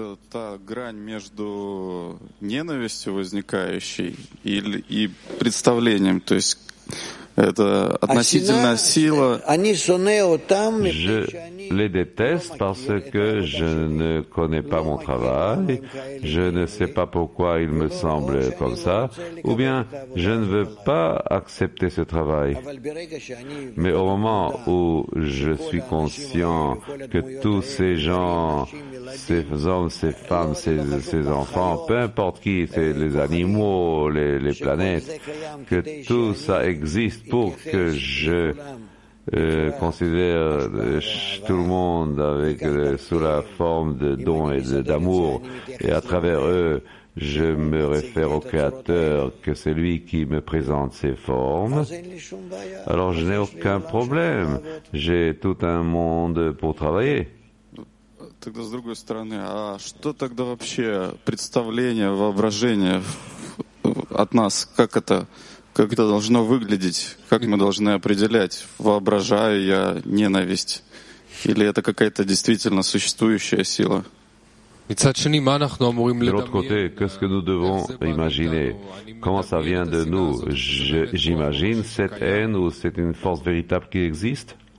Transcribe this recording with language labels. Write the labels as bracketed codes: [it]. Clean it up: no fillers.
[ru] Та грань между ненавистью возникающей и представлением, то есть это относительно сила. [fr] Je les déteste parce que je ne connais pas mon travail, je ne sais pas pourquoi il me semble comme ça, ou bien je ne veux pas accepter ce travail. Mais au moment où je suis conscient que tous ces gens, ces hommes, ces femmes, ces enfants, peu importe qui, c'est les animaux, les planètes, que tout ça existe pour que je considère tout le monde avec sous la forme de dons et d'amour, et à travers eux, je me réfère au Créateur, que c'est lui qui me présente ses formes. Alors je n'ai aucun problème, j'ai tout un monde pour travailler. [ru] Тогда с другой стороны, а что тогда вообще представление, воображение от нас, как это должно выглядеть, как мы должны определять, воображаю я ненависть или это какая-то действительно существующая сила? [fr] De l'autre côté, qu'est-ce que nous devons imaginer? Comment ça vient de nous? J'imagine cette haine ou c'est une force véritable qui existe?